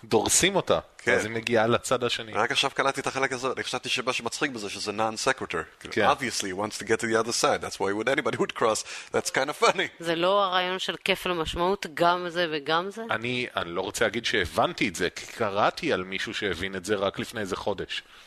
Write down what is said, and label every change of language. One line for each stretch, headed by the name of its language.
Hebrew: דורסים אותה, אז היא מגיעה לצד השני. רק עכשיו קלטתי את החלק הזה, אני חשבתי שמה שמצחיק בזה, שזה non-sequitur.
English: Obviously, he wants to get to the other side, that's why would anybody would cross, that's kind of funny.
Hebrew: זה לא הרעיון של כיף למשמעות, גם זה וגם זה? אני לא רוצה להגיד שהבנתי את זה, כי קראתי על מישהו שהבין את זה רק לפני איזה חודש.